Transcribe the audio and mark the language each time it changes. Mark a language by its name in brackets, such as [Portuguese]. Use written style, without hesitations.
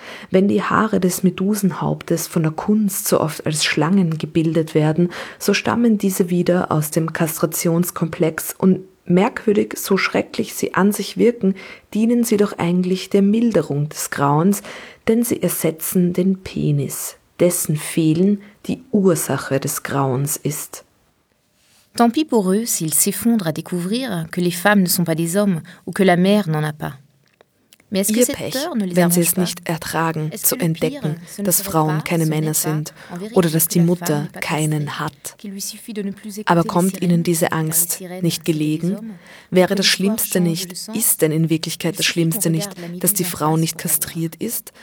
[German] Wenn die Haare des Medusenhauptes von der Kunst so oft als Schlangen gebildet werden, so stammen diese wieder aus dem Kastrationskomplex und merkwürdig, so schrecklich sie an sich wirken, dienen sie doch eigentlich der Milderung des Grauens, denn sie ersetzen den Penis, dessen Fehlen die Ursache des Grauens ist. [French] Tant pis pour eux s'ils s'effondrent à découvrir que les femmes ne sont pas des hommes ou que la mère n'en a pas. [German] Ihr Pech, wenn sie es nicht ertragen, zu entdecken, dass Frauen keine Männer sind oder dass die Mutter keinen hat. Aber kommt ihnen diese Angst nicht gelegen? Wäre das Schlimmste nicht, ist denn in Wirklichkeit das Schlimmste nicht, dass die Frau nicht kastriert ist?